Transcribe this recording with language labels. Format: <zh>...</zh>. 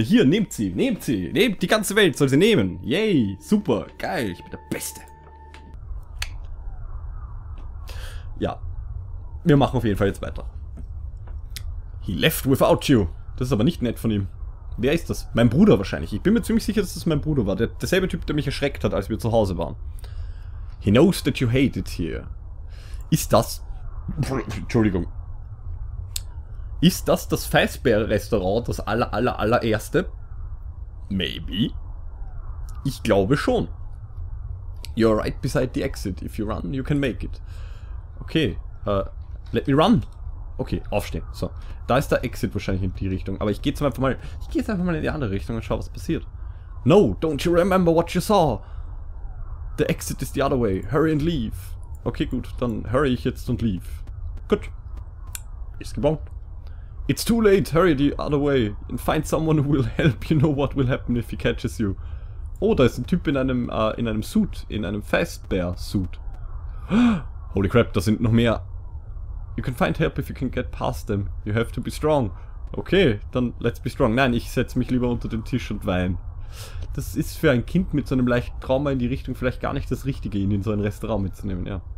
<de>Hier, nehmt sie, nehmt die ganze Welt, soll sie nehmen. Yay, super, geil, ich bin der Beste. Ja, wir machen auf jeden Fall jetzt weiter.</de> <en>He left without you.</en> <de>Das ist aber nicht nett von ihm. Wer ist das? Mein Bruder wahrscheinlich. Ich bin mir ziemlich sicher, dass das mein Bruder war. Derselbe Typ, der mich erschreckt hat, als wir zu Hause waren.</de> <en>He knows that you hate it here.</en> <de>Ist das... Entschuldigung. Ist das Faisbeer-Restaurant das allererste? Maybe. Ich glaube schon.</de> <en>You're right beside the exit. If you run, you can make it. Okay. Let me run. Okay, aufstehen. So.</en> <de>Da ist der Exit wahrscheinlich in die Richtung. Aber ich gehe jetzt einfach mal in die andere Richtung und schau, was passiert.</de> <en>No, don't you remember what you saw? The exit is the other way. Hurry and leave. Okay, gut.</en> <de>Dann hurry ich jetzt und leave. Gut. Ist gebaut.</de> <en>It's too late, hurry the other way and find someone who will help. You know what will happen if he catches you.</en> <de>Oh, da ist ein Typ in einem Fastbear Suit. Holy crap, da sind noch mehr.</de> <en>You can find help if you can get past them. You have to be strong. Okay, dann let's be strong.</en> <de>Nein, ich setze mich lieber unter den Tisch und weine. Das ist für ein Kind mit so einem leichten Trauma in die Richtung vielleicht gar nicht das Richtige, ihn in so ein Restaurant mitzunehmen, ja.</de>